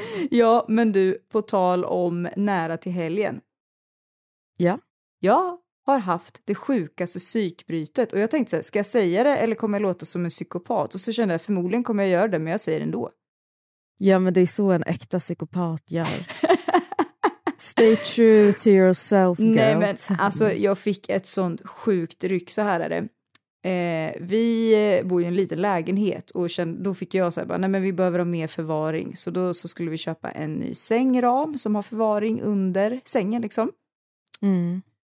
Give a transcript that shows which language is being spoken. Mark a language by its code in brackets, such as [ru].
[sv] Ja, men du, på tal om nära till helgen. Ja. Jag har haft det sjukaste psykbrytet och jag tänkte så här, ska jag säga det eller kommer jag låta som en psykopat? Och så kände jag, förmodligen kommer jag göra det, men jag säger det ändå. Ja, men det är så en äkta psykopat gör. [en] Stay true to yourself, girl. [sv] Nej, men alltså jag fick ett sånt sjukt ryck, så här är det. Vi bor i en liten lägenhet och då fick jag säga, nej men vi behöver ha mer förvaring. Så då så skulle vi köpa en ny sängram som har förvaring under sängen liksom. Mm.